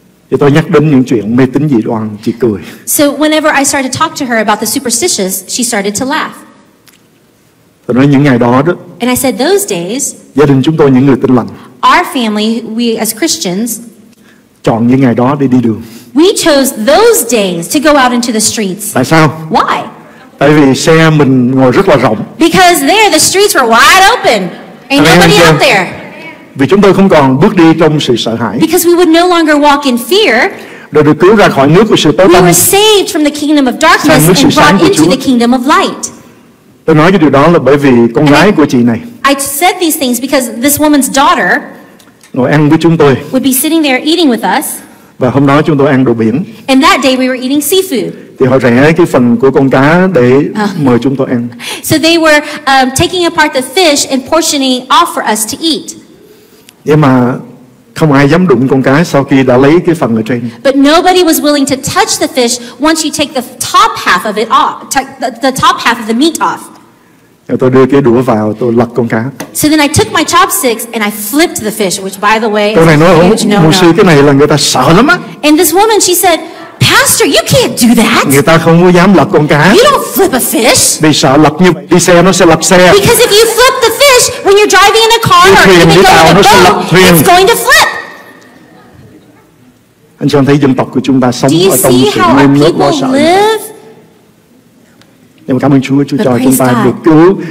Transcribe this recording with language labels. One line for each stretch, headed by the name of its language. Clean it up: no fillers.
Vietnamese: Thì tôi nhắc đến những chuyện mê tín dị đoan, chị cười.
English: So whenever I started to talk to her about the superstitious, she started to laugh.
Vietnamese: Tôi nói những ngày đó đó.
English: And I said those days.
Vietnamese: Gia đình chúng tôi những người tin lành.
English: Our family, we as Christians.
Vietnamese: Chọn những ngày đó để đi đường.
English: We chose those days to go out into the streets.
Vietnamese: Tại sao?
English: Why?
Vietnamese: Tại vì xe mình ngồi rất là rộng.
English: Because there the streets were wide open. Ain't nobody out there.
Vietnamese: Vì chúng tôi không còn bước đi trong sự sợ hãi.
English: Because we would no longer walk in fear.
Vietnamese: Rồi được cứu ra khỏi nước của sự tối tăm.
English: We were saved from the kingdom of darkness and brought into the kingdom of light.
Vietnamese: Tôi nói cái điều đó là bởi vì con
English: and
Vietnamese: gái
English: I,
Vietnamese: của chị này.
English: I said these things because this woman's daughter
Vietnamese: ngồi ăn với chúng tôi.
English: Would be sitting there eating with us.
Vietnamese: Và hôm đó chúng tôi ăn đồ biển.
English: And that day we were eating seafood.
Vietnamese: Thì họ rẽ cái phần của con cá để mời chúng tôi ăn.
English: So they were taking apart the fish and portioning off for us to eat.
Vietnamese: Nhưng mà không ai dám đụng con cá sau khi đã lấy cái phần ở trên.
English: But nobody was willing to touch the fish once you take the top half of it off, the top half of the meat off.
Vietnamese: Rồi tôi đưa cái đũa vào, tôi lật con cá.
English: So then I took my chopsticks and I flipped the fish, which by the way,
Vietnamese: cái này nói mục sư cái này là người ta sợ lắm á.
English: And this woman, she said, Pastor, you can't do that.
Vietnamese: Người ta không có dám lật con cá.
English: You don't flip a fish.
Vietnamese: Vì sợ lật như đi xe nó sẽ lật xe.
English: Because if you flip the fish when you're driving in a car or even going in a boat, it's going to flip.
Vietnamese: Anh chị em thấy dân tộc của chúng ta sống ở trong sự nghiêm ngặt quá sợ. Nhưng mà cảm ơn Chúa, Chúa cho chúng ta được cứu.